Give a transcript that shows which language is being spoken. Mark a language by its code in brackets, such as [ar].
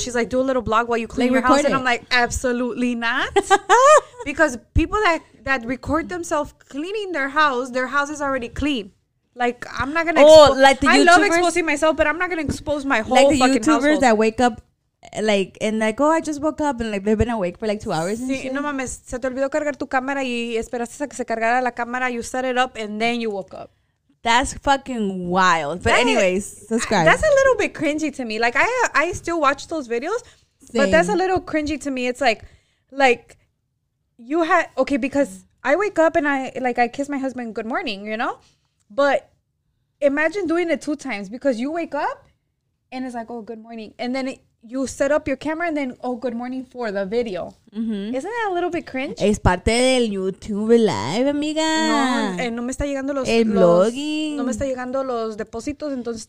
[en] She's like, do a little blog while you clean your house. And I'm like, absolutely not. Because people that record themselves cleaning their house is already clean. Like, I'm not going to. YouTubers? I love exposing myself, but I'm not going to expose my whole fucking Like the YouTubers household. That wake up. Like, and like, oh, I just woke up and like they've been awake for like 2 hours. And [es] sí, [en] shit. [es] No mames, se te olvidó cargar tu cámara y esperaste a que se cargara la cámara. [en] You set it up and then you woke up. That's fucking wild. But anyways, subscribe. That's a little bit cringy to me. Like, I still watch those videos, same. But that's a little cringy to me. It's like you had okay because I wake up and I kiss my husband good morning, you know, but imagine doing it two times because you wake up and it's like, oh, good morning, and then you set up your camera and then, oh, good morning for the video. Mm-hmm. Isn't that a little bit cringe? [es] Es parte del YouTube Live, amiga. No, no me está llegando los... El blogging. No me está llegando los depósitos, entonces...